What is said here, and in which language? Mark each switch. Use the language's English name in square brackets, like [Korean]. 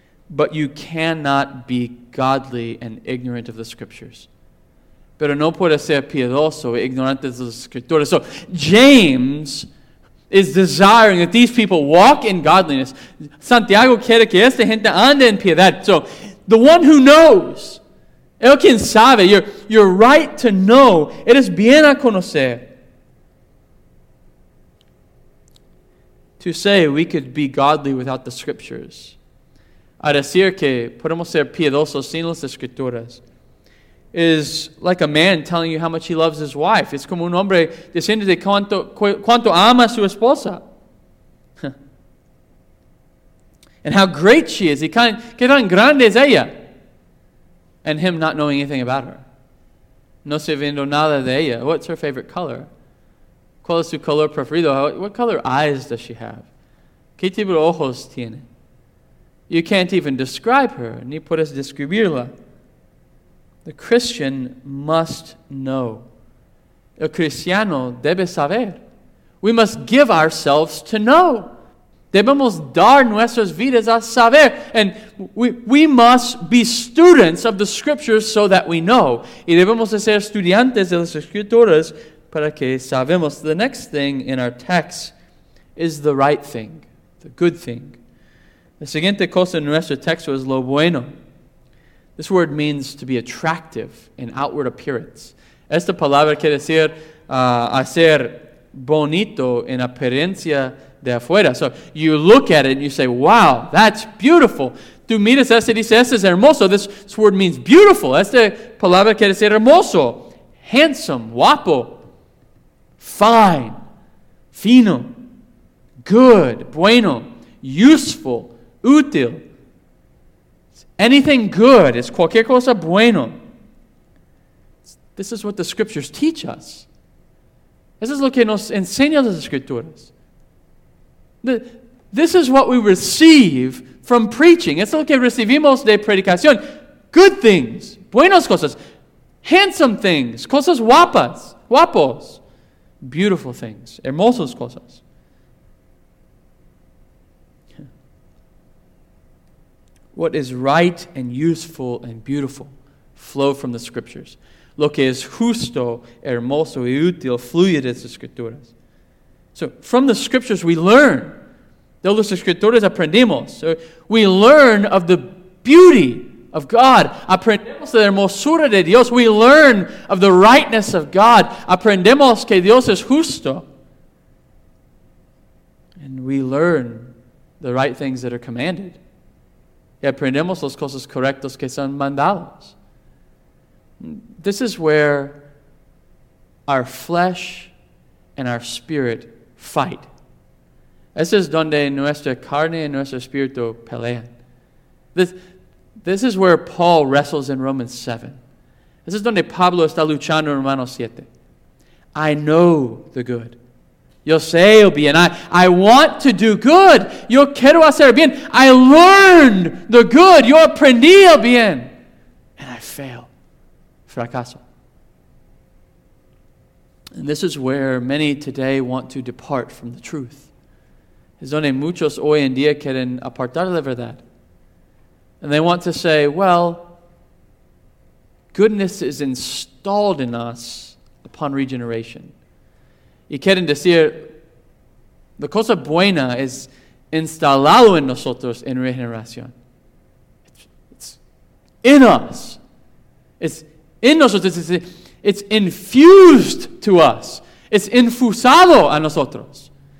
[English] But you cannot be godly and ignorant of the scriptures. [Spanish] Pero no puede ser piedoso, ignorante de las escrituras. [English] So, James is desiring that these people walk in godliness. [Spanish] Santiago quiere que esta gente ande en piedad. [English] So, the one who knows, [Spanish] el quien sabe, [English] your right to know, [Spanish] eres bien a conocer. [English] To say we could be godly without the scriptures. [Spanish] A decir que podemos ser piedosos sin las escrituras. [English] Is like a man telling you how much he loves his wife. [Spanish] Es como un hombre diciendo de cuánto ama su esposa. [English] And how great she is. [Spanish] Qué tan grande es ella. [English] And him not knowing anything about her. [Spanish] No sabiendo nada de ella. [English] What's her favorite color? [Spanish] ¿Cuál es su color preferido? [English] What color eyes does she have? [Spanish] ¿Qué tipo de ojos tiene? [English] You can't even describe her. [Spanish] Ni puedes describirla. [English] The Christian must know. [Spanish] El cristiano debe saber. [English] We must give ourselves to know. [Spanish] Debemos dar nuestras vidas a saber. [English] And we must be students of the scriptures so that we know. [Spanish] Y debemos de ser estudiantes de las escrituras para que sabemos. [English] The next thing in our text is the right thing, the good thing. [Spanish] La siguiente cosa en nuestro texto es lo bueno. [English] This word means to be attractive in outward appearance. [Spanish] Esta palabra quiere decir hacer bonito en apariencia de afuera. [English] So you look at it and you say, wow, that's beautiful. [Spanish] Tú miras esto y dices, esto es hermoso. [English] This word means beautiful. [Spanish] Esta palabra quiere decir hermoso, handsome, guapo, fine, fino, good, bueno, useful, útil. [English] Anything good is [Spanish] cualquier cosa bueno. [English] This is what the scriptures teach us. [Spanish] Eso es lo que nos enseña las escrituras. [English] This is what we receive from preaching. [Spanish] Eso es lo que recibimos de predicación. [English] Good things, [Spanish] buenas cosas, [English] handsome things, [Spanish] cosas guapas, guapos, [English] beautiful things, [Spanish] hermosas cosas. [English] What is right and useful and beautiful flow from the scriptures. [Spanish] Lo que es justo, hermoso y útil fluye de las escrituras. [English] So, from the scriptures we learn. [Spanish] De las escrituras aprendimos. [English] So, we learn of the beauty of God. [Spanish] Aprendemos de la hermosura de Dios. [English] We learn of the rightness of God. [Spanish] Aprendemos que Dios es justo. [English] And we learn the right things that are commanded. [Spanish] Y aprendemos las cosas correctas que son mandadas. [English] This is where our flesh and our spirit fight. [Spanish] Este es donde nuestra carne y nuestro espíritu pelean. [English] This is where Paul wrestles in Romans 7. This is [Spanish] donde Pablo está luchando en Romanos 7. [English] I know the good. [Spanish] Yo sé el bien. [English] I want to do good. [Spanish] Yo quiero hacer bien. [English] I learned the good. [Spanish] Yo aprendí el bien. [English] And I fail. [Spanish] Fracaso. [English] And this is where many today want to depart from the truth. [Spanish] Es donde muchos hoy en día quieren apartar la verdad. [English] And they want to say, well, goodness is installed in us upon regeneration. [Spanish] Y quieren decir, la cosa buena es instalado en nosotros en regeneración. [English] It's in us. It's in nosotros. It's infused to us. It's [Spanish] infusado a nosotros.